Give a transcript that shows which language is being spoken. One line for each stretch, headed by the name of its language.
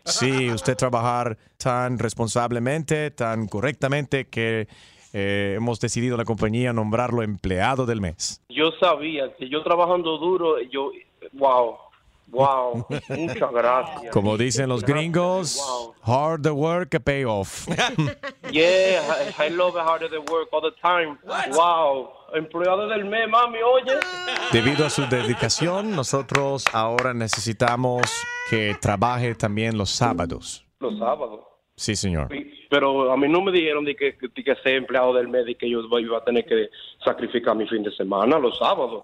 Spanish: Sí, usted trabajar tan responsablemente, tan correctamente que... hemos decidido la compañía nombrarlo empleado del mes. Yo sabía que yo trabajando duro, yo, wow, muchas gracias. Como dicen los gringos,
English: wow. Hard the work, pay off. Yeah, I love hard the work all the time. What?
Spanish: Wow, empleado del mes, mami, oye. Debido a su dedicación, nosotros ahora necesitamos que trabaje también los sábados. ¿Los sábados? Sí, señor. Pero a mí no me dijeron de que sea empleado del mes y que yo iba a tener que sacrificar mi fin de semana los sábados.